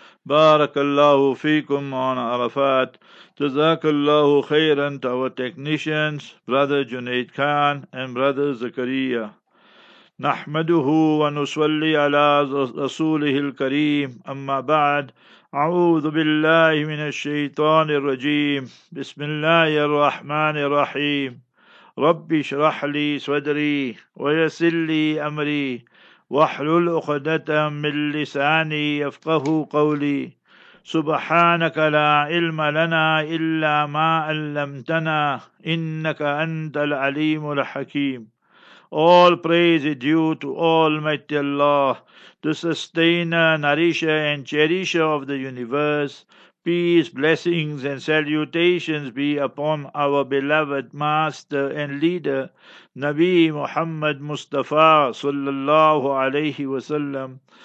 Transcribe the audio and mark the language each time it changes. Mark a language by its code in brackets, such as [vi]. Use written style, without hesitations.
[ar] بارك الله فيكم on Arafat. جزاك الله خيرا [en] to our technicians, Brother Junaid Khan and Brother Zakaria. [ar] نحمده ونصلي على رسوله الكريم. أما بعد, أعوذ بالله من الشيطان الرجيم. بسم الله الرحمن الرحيم. ربي اشرح لي صدري ويسر لي أمري واحلل عقدة من لساني يفقه قولي سبحانك لا علم لنا إلا ما علمتنا إنك أنت العليم الحكيم. [en] All praise is due to Almighty Allah, the sustainer, nourisher and cherisher of the universe. Peace, blessings and salutations be upon our beloved master and leader, Nabi Muhammad Mustafa sallallahu alayhi wa sallam.